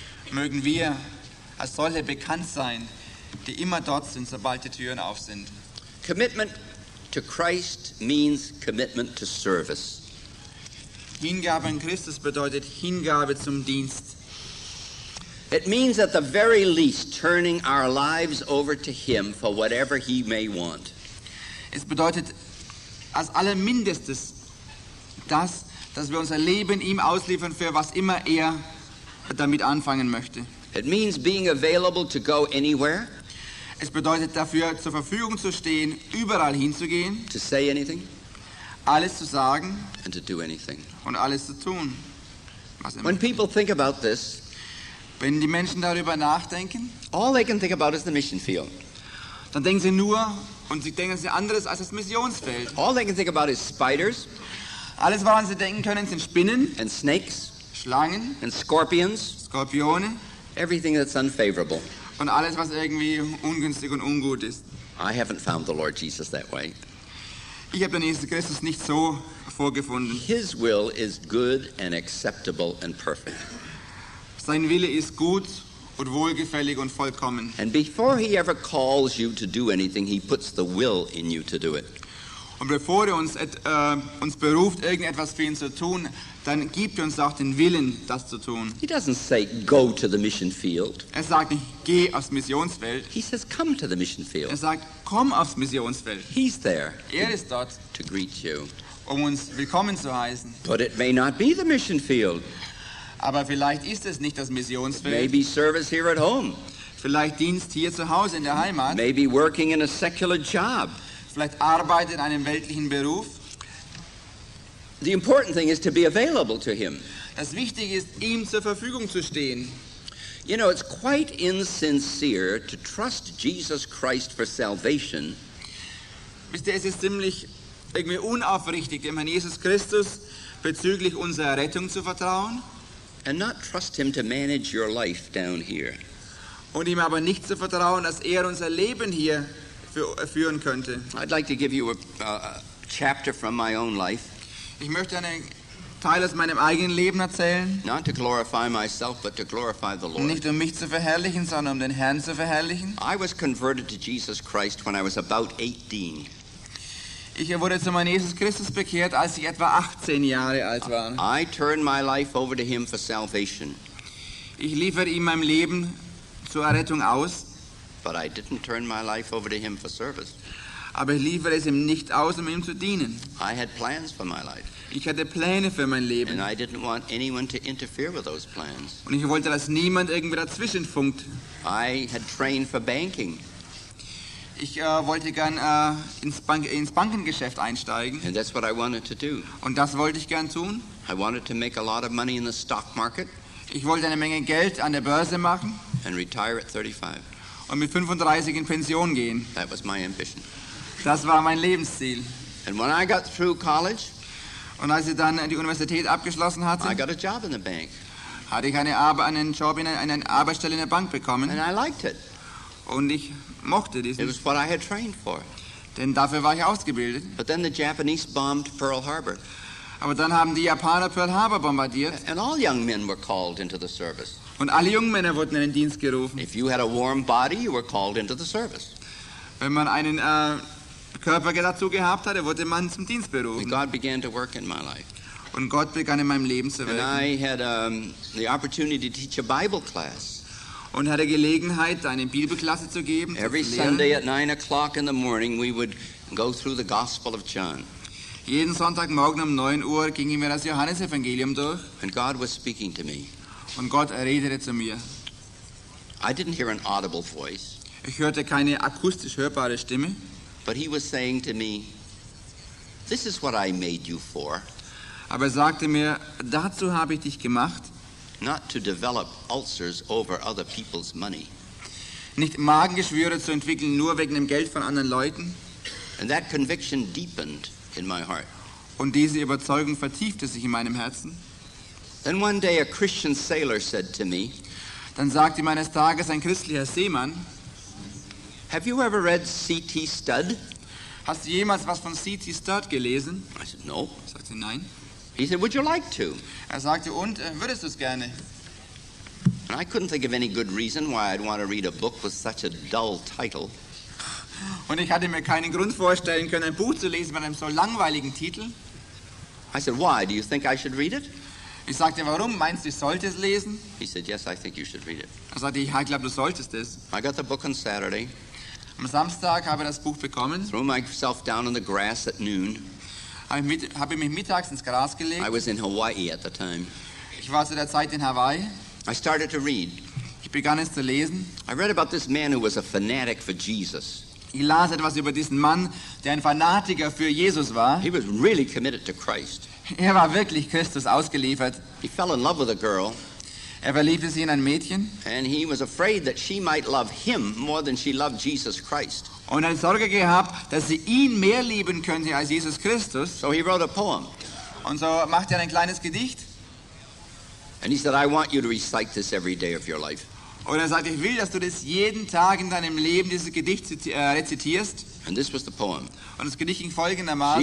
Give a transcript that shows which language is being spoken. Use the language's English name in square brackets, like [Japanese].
[German] Mögen wir als solche bekannt sein, die immer dort sind, sobald die Türen auf sind. [English] Commitment to Christ means commitment to service. [German] Hingabe an Christus bedeutet Hingabe zum Dienst. [English] It means at the very least turning our lives over to him for whatever he may want. [German] Es bedeutet als allermindestes das, dass wir unser Leben ihm ausliefern für was immer er damit anfangen möchte. [English] It means being available to go anywhere. [German] Es bedeutet dafür, zur Verfügung zu stehen, überall hinzugehen. [English] To say anything. [German] Alles zu sagen. [English] And to do anything. [German] Und alles zu tun. Was immer. [English] When people think about this, [German] wenn die Menschen darüber nachdenken, [English] all they can think about is the mission field. [German] Dann denken sie nur und sie denken sie anderes als das Missionsfeld. [English] All they can think about is spiders. [German] Alles woran sie denken können sind Spinnen. [English] And snakes. [German] Schlangen. [English] And scorpions. [German] Skorpione. [English] Everything that's unfavorable. [German] Und alles was irgendwie ungünstig und ungut ist. [English] I haven't found the Lord Jesus that way. [German] Ich habe den Jesus Christus nicht so vorgefunden. [English] His will is good and acceptable and perfect. [German] Sein Wille ist gut und wohlgefällig und vollkommen. [English] And before he ever calls you to do anything, he puts the will in you to do it. [German] Und bevor er uns uns beruft, irgendetwas für ihn zu tun, dann gibt er uns auch den Willen, das zu tun. [English] He doesn't say, go to the mission field. [German] Er sagt nicht, geh aufs Missionsfeld. [English] He says, come to the mission field. [German] Er sagt, komm aufs Missionsfeld. [English] He's there. [German] Er ist dort. [English] To greet you. [German] Um uns willkommen zu heißen. [English] But it may not be the mission field. [German] Aber vielleicht ist es nicht das Missionsfeld. [English] Maybe service here at home. [German] Vielleicht Dienst hier zu Hause in der Heimat. [English] Maybe working in a secular job. [German] Vielleicht Arbeit in einem weltlichen Beruf. [English] The important thing is to be available to him. [German] Das Wichtige ist, ihm zur Verfügung zu stehen. [English] You know, it's quite insincere to trust Jesus Christ for salvation. [German] Wisst ihr, es ist ziemlich irgendwie unaufrichtig, dem Herrn Jesus Christus bezüglich unserer Rettung zu vertrauen. [English] And not trust him to manage your life down here. [German] Und ihm aber nicht zu vertrauen, dass unser Leben hier führen könnte. [English] I'd like to give you a chapter from my own life. [German] Ich möchte einen Teil aus meinem eigenen Leben erzählen. [English] Not to glorify myself, but to glorify the Lord. [German] Nicht um mich zu verherrlichen, sondern um den Herrn zu verherrlichen. [English] I was converted to Jesus Christ when I was about 18. [German] Ich wurde zu meinem Jesus Christus bekehrt, als ich etwa 18 Jahre alt war. [English] I turned my life over to him for salvation. [German] Ich lieferte ihm mein Leben zur Errettung aus. [English] But I didn't turn my life over to him for service. [German] Aber ich lieferte es ihm nicht aus, um ihm zu dienen. [English] I had plans for my life. [German] Ich hatte Pläne für mein Leben. [English] And I didn't want anyone to interfere with those plans. [German] Und ich wollte, dass niemand irgendwie dazwischen funkt. [English] I had trained for banking. [German] Ich wollte gern ins Bankengeschäft einsteigen. [English] And that's what I wanted to do. [German] Und das wollte ich gern tun. [English] I wanted to make a lot of money in the stock market. [German] Ich wollte eine Menge Geld an der Börse machen. [English] And retire at 35. [German] Und mit 35 in Pension gehen. [English] That was my ambition. [German] Das war mein Lebensziel. [English] And when I got through college, [German] und als ich dann die Universität abgeschlossen hatte, [English] I got a job in the bank. [German] Hatte ich einen Arbeitsstelle in der Bank bekommen. [English] And I liked it. [German] Und ich mochte diesen. [English] It was what I had trained for. [German] Denn dafür war ich ausgebildet. [English] But then the Japanese bombed Pearl Harbor. [German] Aber dann haben die Japaner Pearl Harbor bombardiert. [English] And all young men were called into the service. [German] Und alle jungen Männer wurden in den Dienst gerufen. [English] If you had a warm body, you were called into the service. [German] Wenn man einen Körper dazu gehabt hatte, wurde man zum Dienst berufen. [English] God began to work in my life. [German] Und Gott begann in meinem Leben zu wirken. [English] And I had the opportunity to teach a Bible class. [German] Und hatte Gelegenheit, eine Bibelklasse zu geben. [English] Every Sunday at 9 o'clock in the morning, we would go through the Gospel of John. [German] Jeden Sonntagmorgen um 9 Uhr gingen wir das Johannesevangelium durch. [English] And God was speaking to me. [German] Und Gott redete zu mir. [English] I didn't hear an audible voice. [German] Ich hörte keine akustisch hörbare Stimme. [English] But he was saying to me, this is what I made you for. [German] Aber sagte mir, dazu habe ich dich gemacht. [English] Not to develop ulcers over other people's money. [German] Nicht Magengeschwüre zu entwickeln, nur wegen dem Geld von anderen Leuten. [English] And that conviction deepened in my heart. [German] Und diese Überzeugung vertiefte sich in meinem Herzen. [English] Then one day a Christian sailor said to me, [German] dann sagte mir eines Tages ein christlicher Seemann, [English] have you ever read C.T. Studd? [German] Hast du jemals was von C.T. Studd gelesen? [English] I said, no. [German] Sagte, nein. [English] He said, would you like to? [German] Er sagte, und, würdest du es gerne? [English] And I couldn't think of any good reason why I'd want to read a book with such a dull title. [German] Und ich hatte mir keinen Grund vorstellen können, ein Buch zu lesen mit einem so langweiligen Titel. [English] I said, why? Do you think I should read it? [German] Ich sagte, warum? Meinst du, ich sollte es lesen? [English] He said, yes, I think you should read it. [German] Er sagte, ja, ich glaube, du solltest es. [English] I got the book on Saturday. [German] Am Samstag habe ich das Buch bekommen. [English] Threw myself down on the grass at noon. [German] Habe mich mittags ins Gras gelegt. [English] I was in Hawaii at the time. [German] Ich war zu der Zeit in Hawaii. [English] I started to read. [German] Ich begann es zu lesen. [English] I read about this man who was a fanatic for Jesus. [German] Ich las etwas über diesen Mann, der ein Fanatiker für Jesus war. [English] He was really committed to Christ. [German] Er war wirklich Christus ausgeliefert. [English] He fell in love with a girl. [German] Er verliebte sich in ein Mädchen. [English] And he was afraid that she might love him more than she loved Jesus Christ. [German] Und er hat Sorge gehabt, dass sie ihn mehr lieben könnte als Jesus Christus. [English] So he wrote a poem. [German] Und so machte er ein kleines Gedicht. [English] And he said, I want you to recite this every day of your life. [German] Und er sagte, ich will, dass du das jeden Tag in deinem Leben, dieses Gedicht rezitierst. [English] And this was the poem. [German] Und das Gedicht ging folgendermaßen.